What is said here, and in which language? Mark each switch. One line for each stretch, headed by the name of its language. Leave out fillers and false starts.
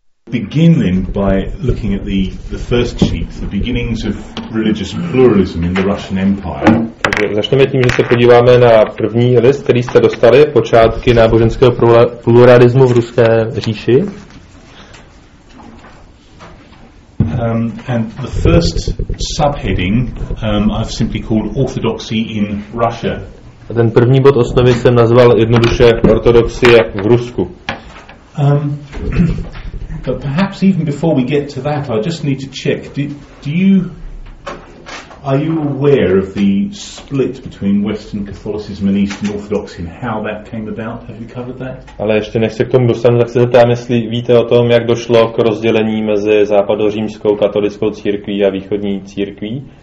English: begin then by looking at the first sheet, the beginnings of religious pluralism in the Russian Empire.
Czech: Takže začneme tím, že se podíváme na první list, který jste dostali, počátky náboženského pluralismu v Ruské říši.
English: And the first subheading I've simply called Orthodoxy in Russia.
Czech: A ten první bod osnovy jsem nazval jednoduše ortodoxie v Rusku.
English: But perhaps even before we get to that, I just need to check. Are you aware of the split between Western Catholicism and Eastern Orthodoxy and how that came about? Have you covered that?
Czech: Ale ještě než se k tomu dostanu, tak se zeptám, jestli víte o tom, jak došlo k rozdělení mezi západořímskou katolickou církví a východní církví.